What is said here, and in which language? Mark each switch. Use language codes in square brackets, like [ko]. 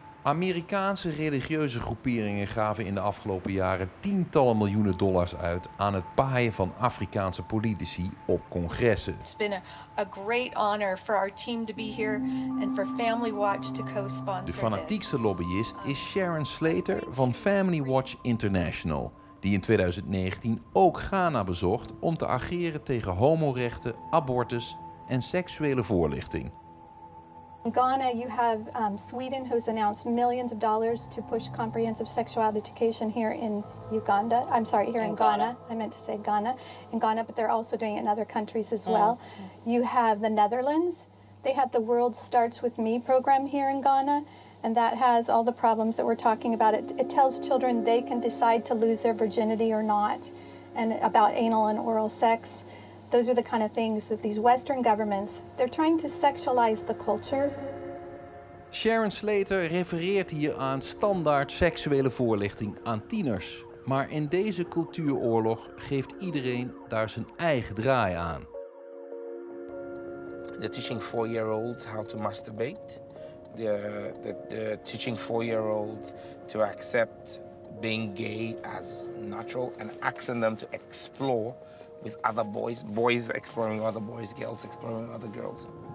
[nl] Amerikaanse religieuze groeperingen gaven in de afgelopen jaren tientallen miljoenen dollars uit aan het paaien van Afrikaanse politici op congressen. [en] It's been a great honor for our team to be here and for Family Watch to co-sponsor this. [nl] De fanatiekste lobbyist is Sharon Slater van Family Watch International, die in 2019 ook Ghana bezocht om te ageren tegen homorechten, abortus en seksuele voorlichting. [en] In Ghana, you have Sweden, who's announced millions of dollars to push comprehensive sexual education here in Uganda. I'm sorry, here in Ghana. I meant to say Ghana. In Ghana, but they're also doing it in other countries as well. Mm-hmm. You have the Netherlands. They have the World Starts With Me program here in Ghana, and that has all the problems that we're talking about. It tells children they can decide to lose their virginity or not, and about anal and oral sex. Those are the kind of things that these Western governments, they're trying to sexualize the culture. [nl] Sharon Slater refereert hier aan standaard seksuele voorlichting aan tieners. Maar in deze cultuuroorlog geeft iedereen daar zijn eigen draai aan. [en] They're teaching four-year-olds how to masturbate. They're teaching four-year-olds to accept being gay as natural and asking them to explore with other boys, boys exploring other boys, girls exploring other girls.